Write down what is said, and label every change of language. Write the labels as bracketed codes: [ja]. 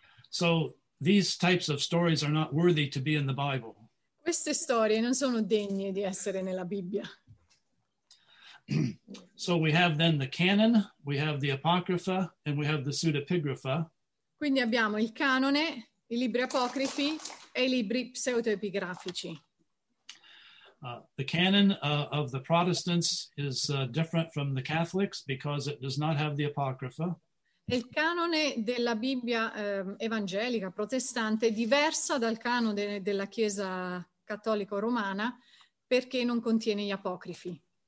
[en] So these types of stories are not worthy to be in the Bible. [it] Queste storie non sono degne di essere nella Bibbia. [en] So we have then the canon, we have the apocrypha, and we have the pseudepigrapha. [it] Quindi abbiamo il canone, i libri apocrifi e i libri pseudepigrafici. [en] The canon of the Protestants is different from the Catholics because it does not have the apocrypha. [it] Il canone della Bibbia evangelica protestante è diversa dal canone della Chiesa cattolico romana perché non contiene gli apocrifi.